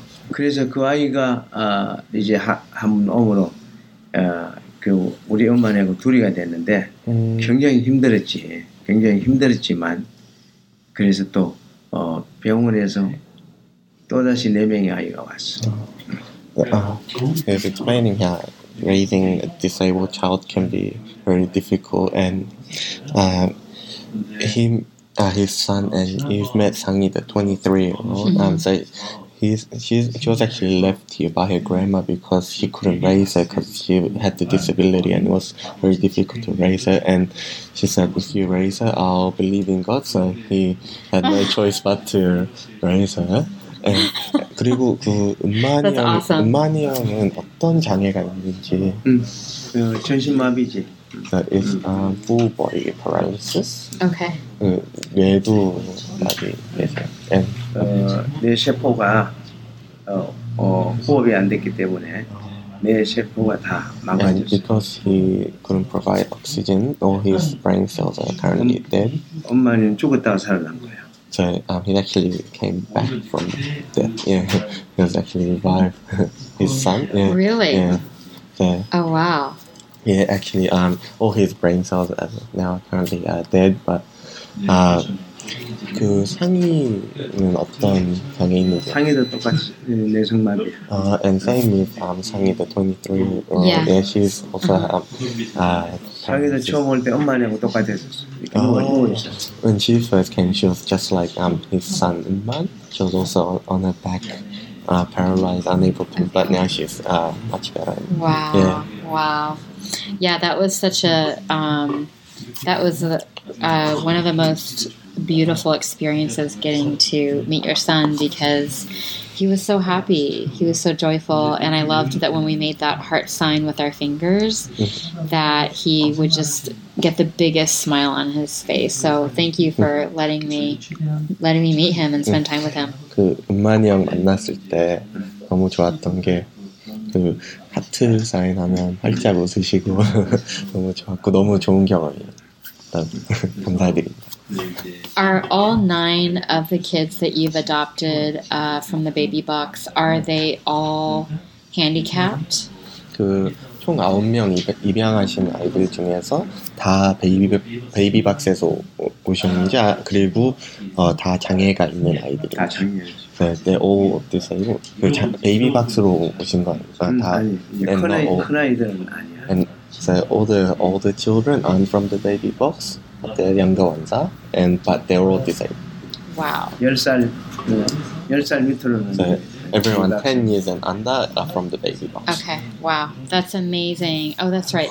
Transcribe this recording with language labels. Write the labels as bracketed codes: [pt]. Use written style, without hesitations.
[ko] 그래서 그 아이가 이제 한 어머로 그 우리 엄마하고 둘이가 됐는데 굉장히 힘들었지. 굉장히 힘들었지만 그래서 또 병원에서 또다시 네 명의 아이가 왔어. [en] He's explaining how raising a disabled child can be very difficult, and his son, and you've met Sangi, the 23-year-old. So she was actually left here by her grandma because she couldn't raise her because she had the disability and it was very difficult to raise her. And she said, if you raise her, I'll believe in God. So he had no choice but to raise her. [ko] 그리고 그 은만이 형은 어떤 장애가 있는지 전신마비지 [en] is full body paralysis. Okay. [ko] 뇌도 마비 되세요. 뇌 세포가 호흡이 안 됐기 때문에 뇌 세포가 다 망가졌어요. [en] Because he couldn't provide oxygen or his brain cells are currently dead. [ko] 은만이는 죽었다가 살아난 거예요. [en] So he actually came back from death. Yeah, he was actually revived. His son. Yeah. Really? Yeah. So, oh wow. Yeah, actually, all his brain cells are now currently dead. [ko] But, 그 상이는 어떤 병이 있는지. 상이도 똑같이 뇌성마비야. [en] And same with 상이 the 23. Yeah. Yeah, she's also [ko] 상이도 처음 올 때 엄마하고 똑같았었어. [en] When she first came, she was just like his son, Inman. She was also on her back, paralyzed, unable to, but now she's much better. Wow. Yeah. Wow. Yeah, that was such a, one of the most beautiful experiences getting to meet your son because he was so happy. He was so joyful. And I loved that when we made that heart sign with our fingers, that he would just get the biggest smile on his face. So thank you for letting me meet him and spend time with him. [ko] 그 은만이 형 만났을 때 너무 좋았던 게 그 하트 사인 하면 활짝 웃으시고 너무 좋았고 너무 좋은 경험이에요. 일단 감사드립니다. [en] Are all 9 of the kids that you've adopted from the baby box, are they all handicapped? [ko] 그 총 9명 입양하신 아이들 중에서 다 베이비박스에서 오셨는지 그리고 다 장애가 있는 아이들. 다 장애. [en] 네, they all disabled. [ko] 그 베이비박스로 오신 건 다 큰 아이들은 아니야. [en] And so all the children aren't from the baby box. The younger ones are, and but they were all disabled. Wow. [ko] 10살 밑으로는. [en] So everyone 10 years and under are from the baby box. Okay. Wow. That's amazing. Oh, that's right.